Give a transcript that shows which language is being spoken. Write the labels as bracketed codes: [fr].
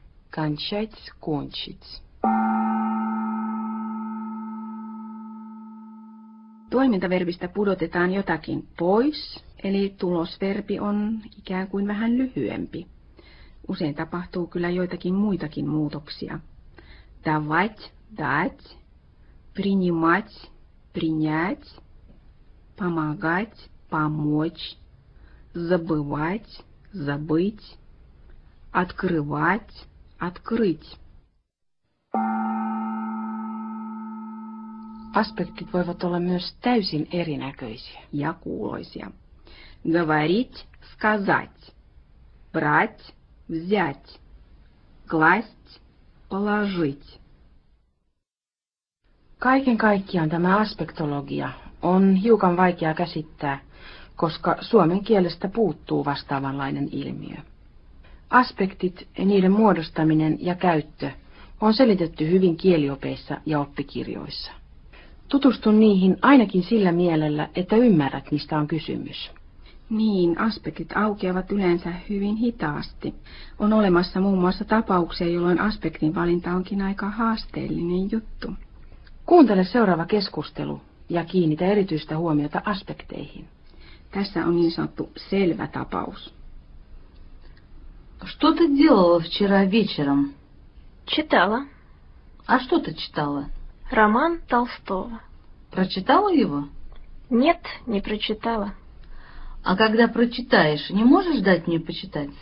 [ru] Кончать, кончить. [fi] Toimintaverbistä pudotetaan jotakin pois, eli tulosverbi on ikään kuin vähän lyhyempi. Usein tapahtuu kyllä joitakin muitakin muutoksia. [ru] Давать, дать, принимать, принять, помогать, помочь, забывать, забыть, открывать, открыть. [fi] Аспектит voivat olla myös täysin erinäköisiä ja kuuloisia. [ru] Говорить, сказать, брать, взять, класть, положить. [fi] Kaiken kaikkiaan tämä aspektologia on hiukan vaikea käsittää, koska suomen kielestä puuttuu vastaavanlainen ilmiö. Aspektit, niiden muodostaminen ja käyttö on selitetty hyvin kieliopeissa ja oppikirjoissa. Tutustu niihin ainakin sillä mielellä, että ymmärrät, mistä on kysymys. Niin, aspektit aukeavat yleensä hyvin hitaasti. On olemassa muun muassa tapauksia, jolloin aspektin valinta onkin aika haasteellinen juttu. Kuuntele seuraava keskustelu ja kiinnitä erityistä huomiota aspekteihin. Tässä on niin sanottu selvä tapaus. [ru] Что ты делала вчера вечером? Читала. А что ты читала? Роман Толстого. Прочитала его? Нет, не прочитала. А когда прочитаешь, не можешь дать мне почитать?